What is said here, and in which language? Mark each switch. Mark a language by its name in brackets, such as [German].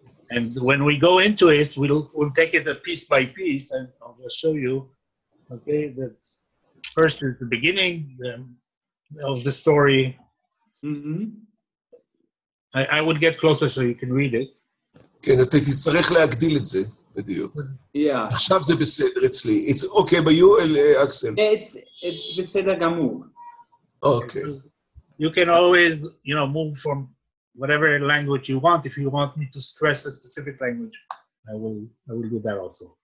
[English] And when we go into it, we'll take it a piece by piece, and I'll just show you, okay, that first is the beginning of the story. Mm-hmm. I would get closer so you can read it. [Hebrew] כן, אתה תצטרך להגדיל את זה. בדיוק. [English] Yeah. [Hebrew] עכשיו זה בסדר אצלי. [English] It's okay by you, Axel? It's [Hebrew] בסדר גמור. [English] Okay. You can always, you know, move from whatever language you want. If you want me to stress a specific language, I will do that also.